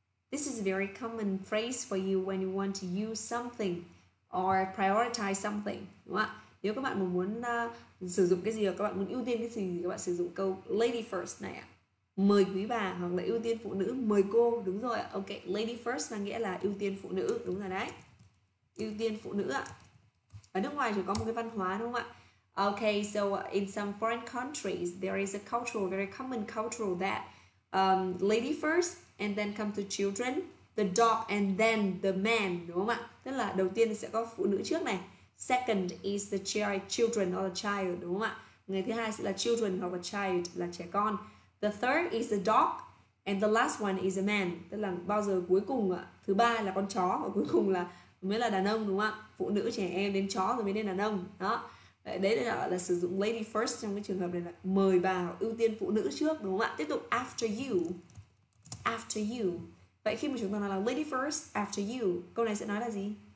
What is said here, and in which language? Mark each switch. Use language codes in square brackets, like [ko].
[en] This is a very common phrase for you when you want to use something or prioritize something. [vi] Đúng không? Nếu các bạn muốn sử dụng cái gì hoặc các bạn muốn ưu tiên cái gì thì các bạn sử dụng câu lady first này ạ. Mời quý bà hoặc là ưu tiên phụ nữ, mời cô, đúng rồi ạ. Ok, lady first là nghĩa là ưu tiên phụ nữ, đúng rồi đấy. Ưu tiên phụ nữ ạ. Ở nước ngoài thì có một cái văn hóa đúng không ạ? [en] Ok, so in some foreign countries there is a cultural, very common cultural that lady first and then come to children, the dog and then the man, [vi] đúng không ạ? Tức là đầu tiên sẽ có phụ nữ trước này. [en] Second is the children or the child, [vi] đúng không ạ? Người thứ hai sẽ là [en] children or the child, [vi] là trẻ con. [en] The third is the dog and the last one is a man. [vi] Tức là bao giờ cuối cùng ạ? Thứ ba là con chó và cuối cùng là mới là đàn ông, đúng không ạ? Phụ nữ, trẻ em, đến chó rồi mới đến đàn ông. Đó. Đấy là sử dụng lady first trong cái trường hợp này là mời bà ưu tiên phụ nữ trước, đúng không ạ? Tiếp tục [en] after you. After you. [vi] Vậy khi mà chúng ta nói là [en] lady first, after you, [vi] câu này sẽ nói là gì?